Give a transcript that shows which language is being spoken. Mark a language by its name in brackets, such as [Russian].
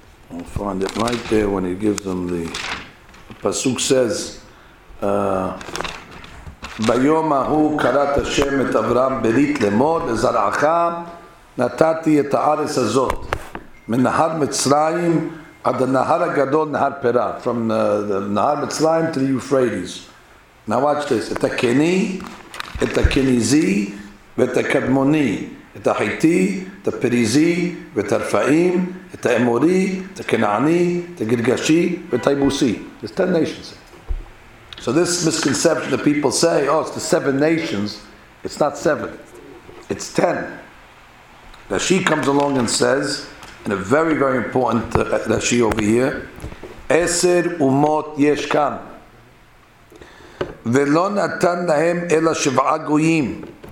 [English] I'll find it right there when he gives them the Pasuk says, [Hebrew] ביום ההוא קראת השם את אברהם ברית לאמור לזרעך נתתי את הארץ הזאת מנהר מצרים עד הנהר הגדול נהר פרה [English] from the [Hebrew] נהר מצרים [English] to the Euphrates. Now watch this. [Hebrew] את הקני, את הקניזי ואת הקדמוני, את החיטי, את הפריזי ואת הרפאים, את האמורי, את הקנעני, את הגרגשי ואת היבוסי. [English] It's 10 nations. So this misconception that people say, oh, it's the seven nations, it's not seven, it's 10. Rashi comes along and says, in a very, very important Rashi over here, [Hebrew] Eser umot yesh kan, ve'lo natan lahem ela shev'a goyim.